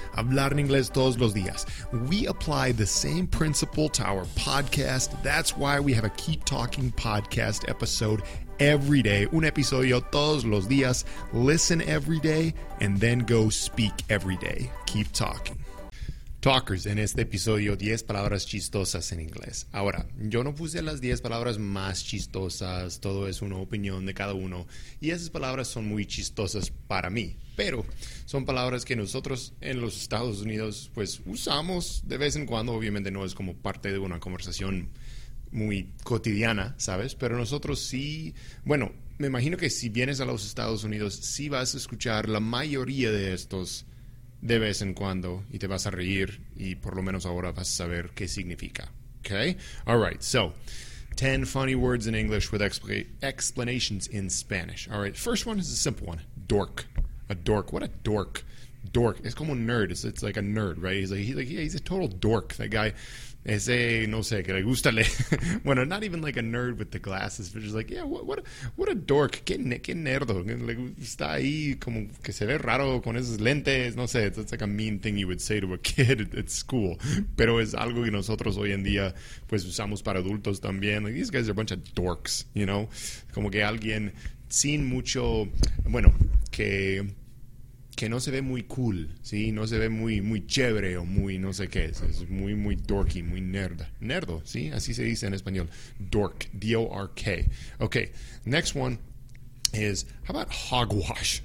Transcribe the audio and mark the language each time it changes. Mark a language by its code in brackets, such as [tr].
[es] Hablar en inglés todos los días. [en] We apply the same principle to our podcast. That's why we have a Keep Talking Podcast episode every day. [es] Un episodio todos los días. [en] Listen every day and then go speak every day. Keep talking. [es] Talkers, en este episodio, 10 palabras chistosas en inglés. Ahora, yo no puse las 10 palabras más chistosas, todo es una opinión de cada uno, y esas palabras son muy chistosas para mí, pero son palabras que nosotros en los Estados Unidos, pues, usamos de vez en cuando. Obviamente no es como parte de una conversación muy cotidiana, ¿sabes? Pero nosotros sí, bueno, me imagino que si vienes a los Estados Unidos, sí vas a escuchar la mayoría de estos de vez en cuando, y te vas a reír, y por lo menos ahora vas a saber qué significa. [en] Okay? All right, so, 10 funny words in English with explanations in Spanish. All right, first one is a simple one. Dork. A dork. What a dork. Dork. [es] Es como nerd. [en] It's like a nerd, right? He's a total dork. That guy, [es] ese, no sé, que le gusta leer. [en] Bueno, not even like a nerd with the glasses, but just like, yeah, what a dork. [es] Qué nerdo. Le gusta ahí como que se ve raro con esos lentes. No sé, [en] it's like a mean thing you would say to a kid at school. [es] Pero es algo que nosotros hoy en día, pues, usamos para adultos también. [en] Like, these guys are a bunch of dorks, you know? [es] Como que alguien sin mucho, bueno, que no se ve muy cool, ¿sí? No se ve muy, muy chévere o muy no sé qué. Es muy, muy dorky, muy nerd. Nerdo, ¿sí? Así se dice en español. [en] Dork, D-O-R-K. Okay, next one is, how about hogwash?